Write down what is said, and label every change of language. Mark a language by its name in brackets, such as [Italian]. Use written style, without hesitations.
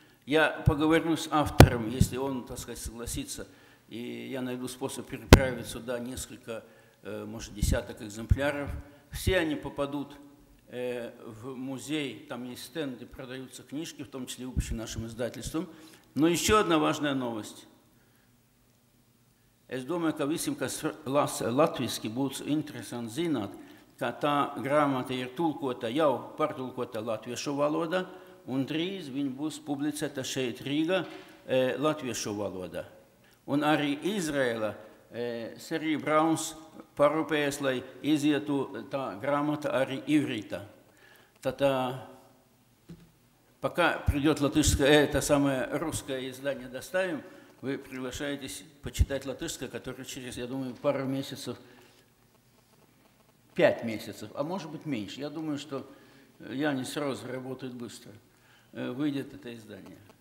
[Russian] Я поговорю с автором, если он, так сказать, согласится, и я найду способ переправить сюда несколько, может, десяток экземпляров. Все они попадут в музей, там есть стенды, продаются книжки, в том числе выпущенные нашим издательством. Но еще одна важная новость. [Latvian] Es domāju, ka visiem, kas lasa latviski, būs interesanti zināt, ka tā grāmata ir tulkota, jau pārtulkota latviešu valodā, un drīz viņa būs publicēta šeit Rīgā latviešu valodā. Un arī Izraela, Sergi Brauns parūpējas, lai izietu tā grāmata arī ivrītā. Tātā, [Russian] пока придет латышское, это самое русское издание доставим, вы приглашаетесь почитать латышское, которое через, я думаю, пару месяцев, пять месяцев, а может быть меньше. Я думаю, что Янис Роза работает быстро, выйдет это издание.